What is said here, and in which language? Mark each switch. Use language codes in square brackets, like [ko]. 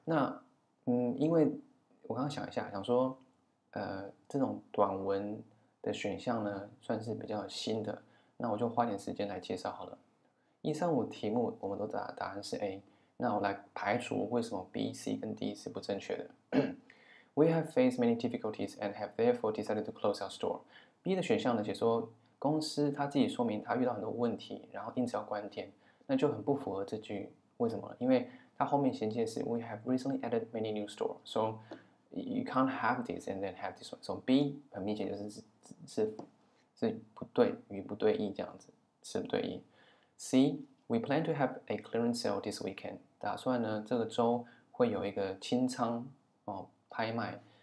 [zh] 那因为我刚刚想一下，想说这种短文的选项呢，算是比较新的，那我就花点时间来介绍好了。 135题目我们都答案是 A，那我来排除为什么 B、C 跟 D 是不正确的。 [en] We have faced many difficulties and have therefore decided to close our store. [zh] B 的选项呢，解说公司他自己说明他遇到很多问题，然后因此要关店，那就很不符合这句为什么？因为它后面衔接的是 [en] We have recently added many new store, so you can't have this and then have this one. So B [zh] 很明显就是不对，语不对义这样子，词不对义。 [en] C, we plan to have a clearance sale this weekend. [zh] 打算呢，这个周会有一个清仓哦，拍卖。